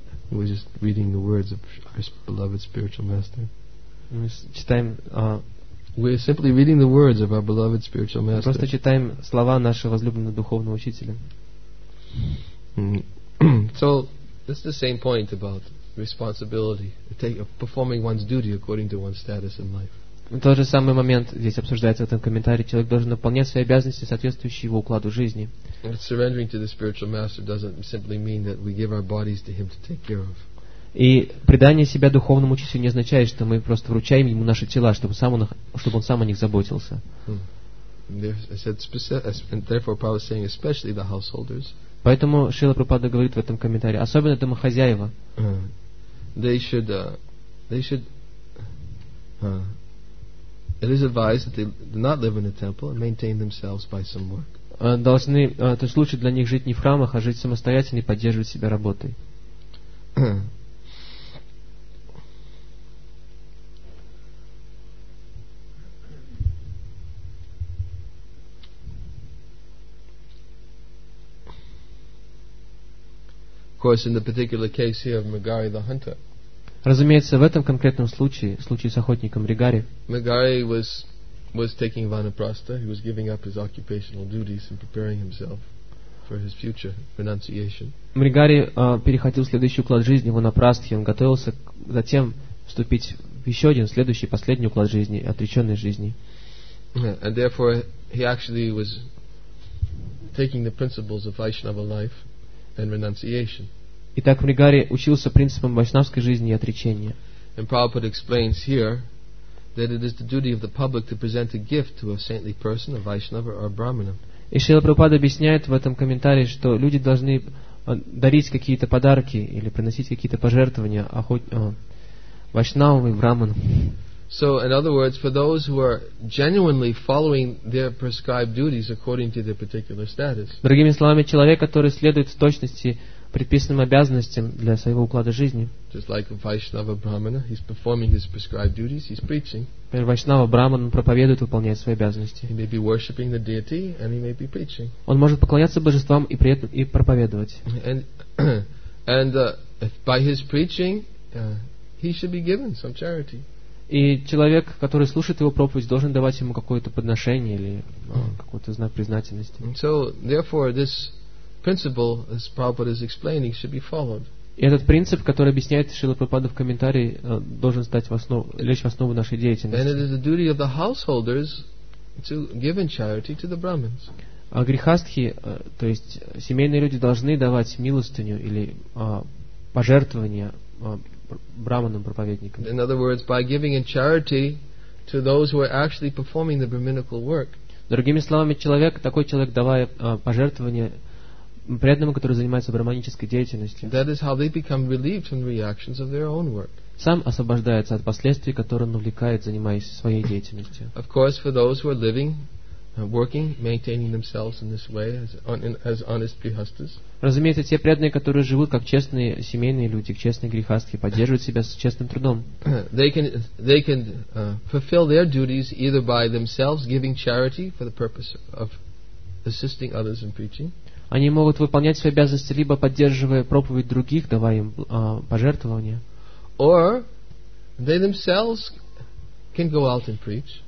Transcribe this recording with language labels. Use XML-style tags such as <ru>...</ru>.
<en>We're just reading the words of our beloved spiritual master.</en> <ru>Мы читаем.</ru> <en>We're simply reading the words of our beloved spiritual master.</en> <ru>Просто читаем слова нашего возлюбленного духовного учителя.</ru> <en>So this is the same point about responsibility, performing one's duty according to one's status in life.</en> <ru>Тот же самый момент здесь обсуждается в этом комментарии. Человек должен выполнять свои обязанности, соответствующие его укладу жизни.</ru> <en>Surrendering to the spiritual master doesn't simply mean that we give our bodies to him to take care of.</en> <ru>И предание себя духовному учителю не означает, что мы просто вручаем ему наши тела, чтобы он сам о них заботился. Поэтому Шрила Прабхупада говорит в этом комментарии, особенно домохозяева.</ru> <en>They should It is advised that they do not live in a temple and maintain themselves by some work.</en> <ru>Должны, то есть лучше для них жить не в храмах, а жить самостоятельно и поддерживать себя работой.</ru> <en>Of course, in the particular case here of Megari the hunter.</en> <ru>Разумеется, в этом конкретном случае, в случае с охотником Ригари.</ru> <en>Megari was taking vanaprastha. He was giving up his occupational duties and preparing himself for his future renunciation.</en> <ru>Ригари переходил в следующий уклад жизни, ванапрастхи. Он готовился затем вступить в еще один, следующий, последний уклад жизни, отреченной жизни.</ru> <en>And therefore, he actually was taking the principles of Vaishnava life. And renunciation.</en> <ru>Итак, Ригари учился принципам вайшнавской жизни и отречения.</ru> <en>And Prabhupada explains here that it is the duty of the public to present a gift to a saintly person, a Vaishnava or a Brahmana.</en> <ru>И Шрила Прабхупада объясняет в этом комментарии, что люди должны дарить какие-то подарки или приносить какие-то пожертвования вайшнавам и Брахманам.</ru> <en>So, in other words, for those who are genuinely following their prescribed duties according to their particular status.</en> <ru>Другими словами, человек, который следует в точности предписанным обязанностям для своего уклада жизни.</ru> <en>Just like a Vaishnava Brahmana, he's performing his prescribed duties, he's preaching.</en> <ru>Например, Вайшнава Брахман проповедует, выполняет свои обязанности.</ru> <en>He may be worshipping the deity and he may be preaching.</en> <ru>Он может поклоняться божествам и при этом и проповедовать.</ru> <en>And if by his preaching, he should be given some charity.</en> <ru>И человек, который слушает его проповедь, должен давать ему какое-то подношение или какой-то знак признательности.</ru> <en>So, therefore, this principle, as Prabhupada is explaining, should be followed.</en> <ru>И этот принцип, который объясняет Шрила Прабхупада в комментарии, должен стать в основу, лечь в основу нашей деятельности.</ru> <en>And it is the duty of the householders to give in charity to the Brahmins.</en> <ru>А грихастхи, то есть семейные люди, должны давать милостыню или пожертвования Брахманам-проповедникам.</ru> <en>In other words, by giving in charity to those who are actually performing the brahminical work.</en> <ru>Другими словами, человек, такой человек, давая пожертвование преданному, который занимается брахманической деятельностью.</ru> <en>That is how they become relieved from the reactions of their own work.</en> <ru>Сам освобождается от последствий, которые он увлекает, занимаясь своей деятельностью.</ru> <en>Of course, for those who are living, working, maintaining themselves in this way as honest grihasthas.</en> <ru>Разумеется, те преданные, которые живут как честные семейные люди, честные грихастхи, поддерживают себя с честным трудом.</ru> <en>They can fulfill their duties either by themselves giving charity for the purpose of assisting others in preaching.</en> <ru>Они могут выполнять свои обязанности либо поддерживая проповедь других, давая им пожертвования.</ru> <en>Or they themselves can go out and preach.</en>